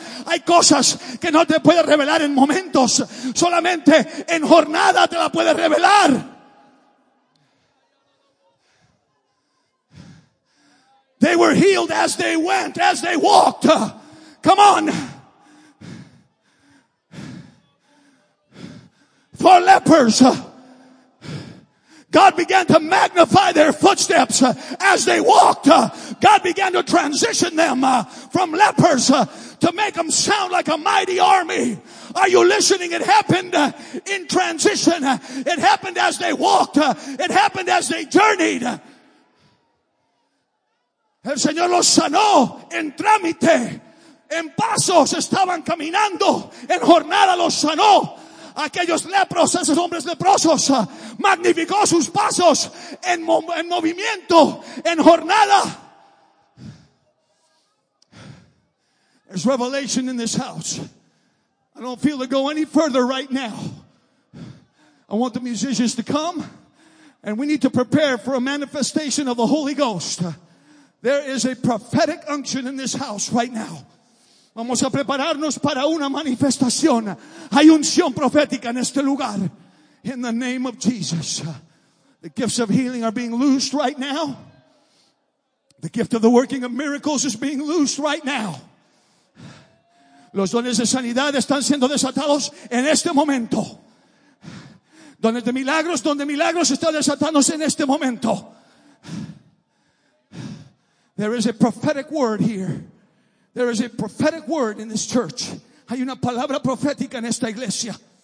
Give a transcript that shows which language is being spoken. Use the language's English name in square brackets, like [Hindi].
[Spanish] Hay cosas que no te puede revelar en momentos, solamente en jornada te la puede revelar. [English] They were healed as they went, as they walked. Come on. For lepers, God began to magnify their footsteps as they walked. God began to transition them from lepers to make them sound like a mighty army. Are you listening? It happened in transition. It happened as they walked. It happened as they journeyed. [Spanish] El Señor los sanó en trámite. En pasos estaban caminando. En jornada los sanó. Aquellos lepros, esos hombres leprosos, magnificó sus pasos en movimiento, en jornada. [English] There's revelation in this house. I don't feel to go any further right now. I want the musicians to come, and we need to prepare for a manifestation of the Holy Ghost. There is a prophetic unction in this house right now. [Spanish] Vamos a prepararnos para una manifestación. Hay unción profética en este lugar. [English] In the name of Jesus. The gifts of healing are being loosed right now. The gift of the working of miracles is being loosed right now. [Spanish] Los dones de sanidad están siendo desatados en este momento. Dones de milagros, don de milagros están desatándose en este momento. [English] There is a prophetic word here. There is a prophetic word in this church. [Spanish] Hay una palabra profética en esta iglesia.